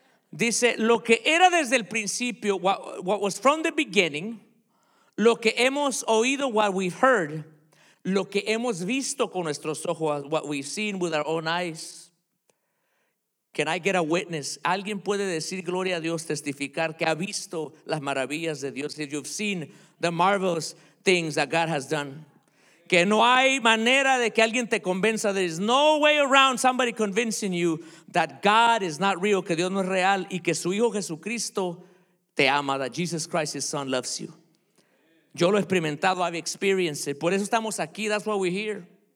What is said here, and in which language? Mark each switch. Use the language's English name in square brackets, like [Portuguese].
[Spanish] Dice, lo que era desde el principio, [English] what was from the beginning, [Spanish] lo que hemos oído, [English] what we've heard, [Spanish] lo que hemos visto con nuestros ojos, [English] what we've seen with our own eyes. Can I get a witness? [Spanish] ¿Alguien puede decir gloria a Dios, testificar que ha visto las maravillas de Dios? [English] If you've seen the marvelous things that God has done. [Spanish] Que no hay manera de que alguien te convenza. [English] There is no way around somebody convincing you that God is not real, [Spanish] que Dios no es real, y que su Hijo Jesucristo te ama, [English] that Jesus Christ, His Son, loves you. [Spanish] Yo lo he experimentado, [English] I've experienced it. [Spanish] Por eso estamos aquí, [English] that's why we're here.